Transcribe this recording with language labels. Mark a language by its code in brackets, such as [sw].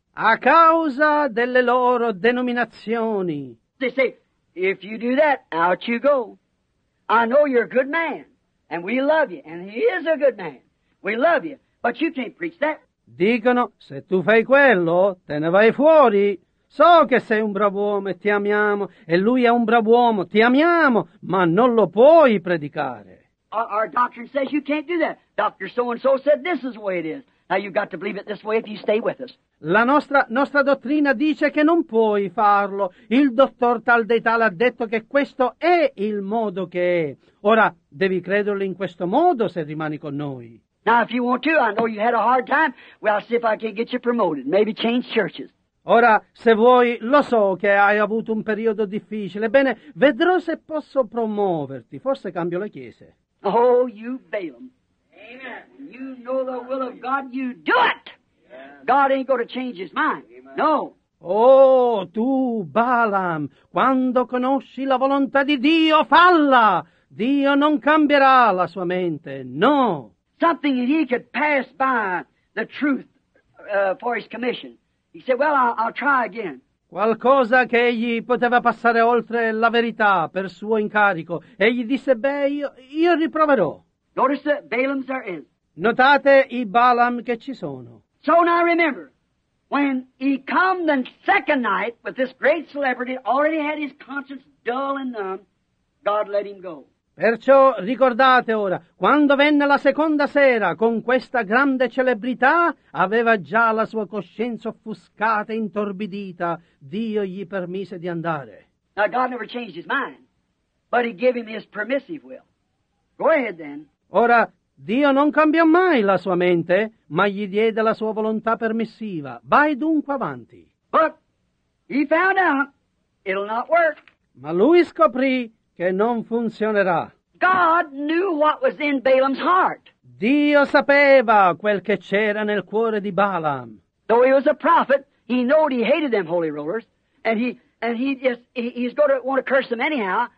[it] A causa delle loro denominazioni. [en] They say, if you do that, out you go. I know you're a good man, and we love you, and he is a good man. We love you, but you can't preach that. [it] Dicono, se tu fai quello, te ne vai fuori. So che sei un bravo uomo e ti amiamo, e lui è un bravo uomo, ti amiamo, ma non lo puoi predicare. [en] Our doctrine says you can't do that. Dr. So-and-so said this is the way it is. Now you've got to believe it this way if you stay with us. [it] La nostra dottrina dice che non puoi farlo. Il dottor tal dei tal ha detto che questo è il modo che è. Ora devi crederlo in questo modo se rimani con noi. [en] Now if you want to, I know you had a hard time. Well, I'll see if I can get you promoted. Maybe change churches. [it] Ora, se vuoi, lo so che hai avuto un periodo difficile. Bene, vedrò se posso promuoverti. Forse cambio le chiese. [en] Oh, you Balaam. Amen. You know the will of God, you do it. God ain't gonna change his mind. No. [it] Oh, tu Balaam, quando conosci la volontà di Dio, falla. Dio non cambierà la sua mente. No. [en] Something he could pass by the truth for his commission. He said, well, I'll try again. [it] Qualcosa che egli poteva passare oltre la verità per suo incarico. Egli disse, beh, io riproverò. [en] Notice that Balaam's there is. [it] Notate i Balaam che ci sono. [en] So now remember, when he come the second night with this great celebrity, already had his conscience dull and numb, God let him go. [it] Perciò ricordate ora, quando venne la seconda sera con questa grande celebrità, aveva già la sua coscienza offuscata e intorbidita. Dio gli permise di andare. [en] Now God never changed his mind, but he gave him his permissive will. Go ahead then. [it] Ora, Dio non cambiò mai la sua mente, ma gli diede la sua volontà permissiva. Vai dunque avanti. [en] But he found out it'll not work. [it] Ma lui scoprì che non funzionerà. [en] God knew what was in Balaam's heart. [it] Dio sapeva quel che c'era nel cuore di Balaam. [en] Though he was a prophet, he knew he hated them holy rulers, and he's going to want to curse them anyhow.